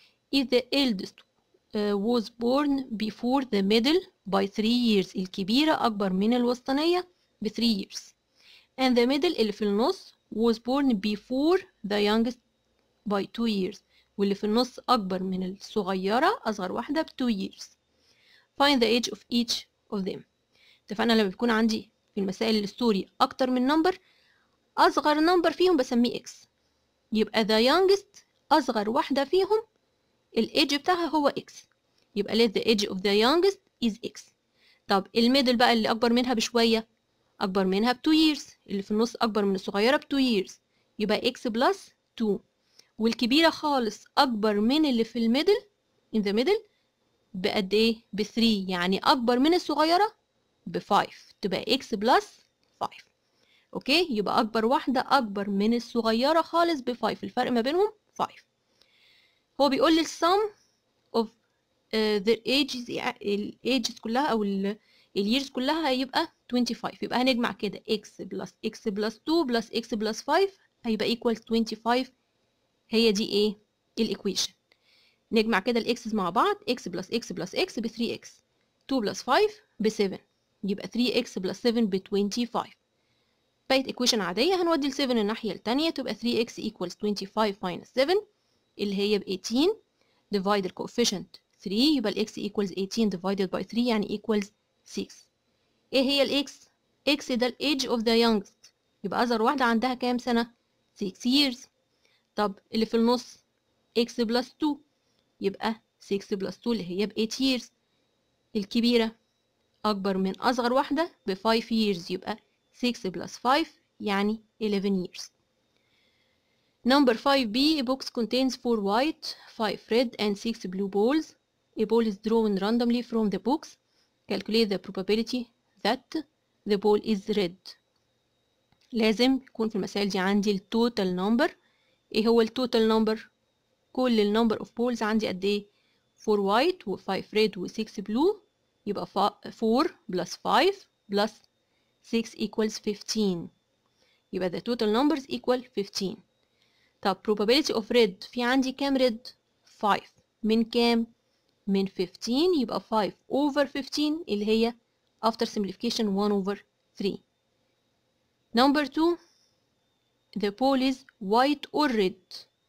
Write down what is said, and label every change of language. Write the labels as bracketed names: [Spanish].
[English] If the eldest was born before the middle by 3 years، [Arabic] الكبيرة أكبر من الوسطانية ب 3 [English] years، and the middle [Arabic] اللي في النص [English] was born before the youngest by 2 years، [Arabic] واللي في النص أكبر من الصغيرة أصغر واحدة ب 2 [English] years، find the age of each of them. [Arabic] اتفقنا لما بيكون عندي في المسائل الستوري أكتر من number، أصغر نمبر فيهم بسميه X، يبقى [English] the youngest [Arabic] أصغر واحدة فيهم الـ age بتاعها هو X، يبقى [English] let the age of the youngest is X. [Arabic] طب الميدل بقى اللي اكبر منها بشوية اكبر منها ب 2 years، اللي في النص اكبر من الصغيرة ب 2 years، يبقى [English] x plus 2. [Arabic] والكبيرة خالص اكبر من اللي في الميدل [English] in the middle [Arabic] بقد ايه؟ ب 3، يعني اكبر من الصغيرة ب 5، تبقى [English] x plus 5. [Arabic] اوكي، يبقى اكبر واحدة اكبر من الصغيرة خالص ب 5، الفرق ما بينهم 5. هو بيقول لي [English] sum of the ages، [Arabic] يعني الاجز كلها او الييرز كلها هيبقى 25. يبقى هنجمع كده [English] x plus x plus 2 plus x plus 5 [Arabic] هيبقى [English] equal 25. [Arabic] هي دي ايه الايكويشن. نجمع كده الاكس مع بعض، [English] x plus x plus x ب 3x، 2 plus 5 ب 7، يبقى 3x plus 7 ب 25. [Arabic] بقت ايكويشن عاديه، هنودي ال 7 الناحيه الثانيه، تبقى [English] 3x equals 25 minus 7 [Arabic] اللي هي ب 18، [English] divide the coefficient 3، [Arabic] يبقى الاكس [English] equals 18 divided by 3 [Arabic] يعني equals 6. ايه هي الاكس؟ x ده [English] الايدج of the youngest، [Arabic] يبقى اصغر واحده عندها كام سنه؟ 6 years. طب اللي في النص x plus 2، يبقى [English] 6 plus 2 [Arabic] اللي هي ب 8 years. الكبيرة أكبر من أصغر واحدة ب 5 years، يبقى [English] 6 plus 5 [Arabic] يعني 11 years. [English] Number 5b, a box contains 4 white, 5 red and 6 blue balls. A ball is drawn randomly from the box. Calculate the probability that the ball is red. [Arabic] لازم يكون في المسائل دي عندي الـ total number. إيه هو الـ total number؟ كل الـ [English] number of balls [Arabic] عندي قد ايه؟ 4 white و 5 red و 6 blue، يبقى [English] 4 plus 5 plus 6 equals 15، [Arabic] يبقى [English] the total numbers equal 15. طب probability of red، [Arabic] في عندي كام [English] red؟ 5، [Arabic] من كام؟ من 15، يبقى [English] 5 over 15 اللي هي after simplification 1 over 3. Number 2، the ball is white or red.